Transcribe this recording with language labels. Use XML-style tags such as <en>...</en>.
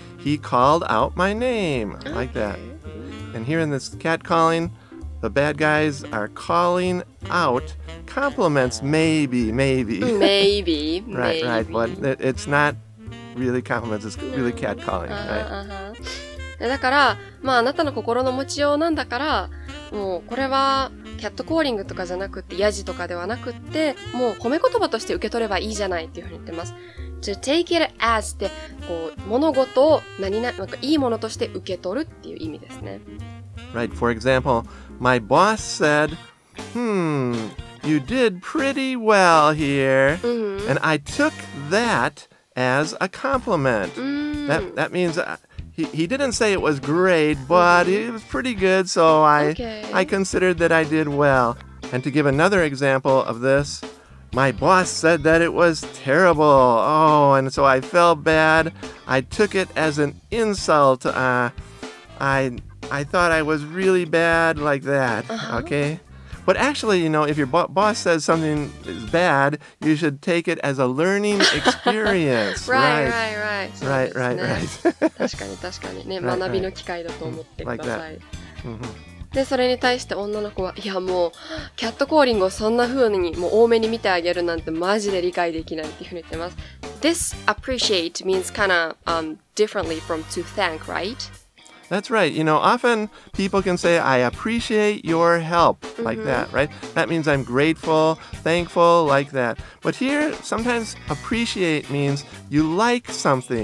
<en>He called out my name, like that. And here in this catcalling, the bad guys are calling out compliments, maybe. Maybe, right, maybe. Right, but it's not really compliments, it's really catcalling, right?</en> <ja>だから、まあ、あなたの心の持ちようなんだから、もうこれはキャットコーリングとかじゃなくって、ヤジとかではなくって、もう褒め言葉として受け取ればいいじゃないっていうふうに言ってます。 to take it as って、こう、物事を何々、なんかいいものとして受け取るっていう意味ですね。</ja> <en>Right, for example, my boss said, you did pretty well here,、 mm-hmm. and I took that as a compliment.、 Mm-hmm. That means he didn't say it was great, but、mm-hmm. it was pretty good, so I considered that I did well. And to give another example of this, my boss said that it was terrible. Oh, and so I felt bad. I took it as an insult. I thought I was really bad like that,、 uh-huh. okay? But actually, you know, if your boss says something is bad, you should take it as a learning experience. right.</en> <ja>確かに確かにね、学びの機会だと思ってください。</ja> <en>Like that. Mm-hmm.</en> <ja>で、それに対して女の子は、いやもう、キャットコーリングをそんな風にもう多めに見てあげるなんてマジで理解できないっていうふうに言ってます。</ja> <en>This appreciate means kind of、differently from to thank, right? That's right. You know, often people can say, I appreciate your help, like、mm-hmm. that, right? That means I'm grateful, thankful, like that. But here, sometimes appreciate means you like something.、</en>